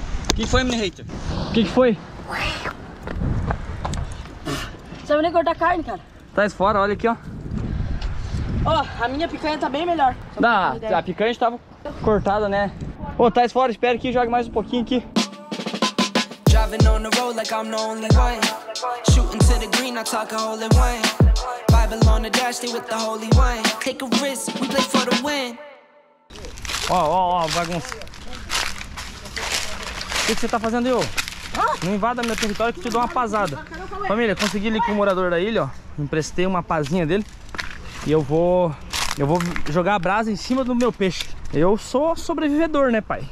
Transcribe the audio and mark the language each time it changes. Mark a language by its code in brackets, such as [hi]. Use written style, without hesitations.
[pt] O que foi, mini hater? O que foi? Você vai nem cortar carne, cara. Tá isso fora, olha aqui, ó. Ó, a minha picanha tá bem melhor. Não, a picanha estava cortada, né? Ô, oh, tá isso fora, espera aqui, joga mais um pouquinho aqui. [en] Driving on the road like I'm the only one. Shooting to the green, I talk a hole in one. Bible on the dash, stay with the holy one. Take a risk, we play for the win. [pt] Ó, ó, ó, bagunça. O que você tá fazendo aí, ô? Não invada meu território que eu te dou uma pazada. Família, consegui ali com o morador da ilha, ó. Emprestei uma pazinha dele. E eu vou jogar a brasa em cima do meu peixe. Eu sou sobrevivedor, né, pai?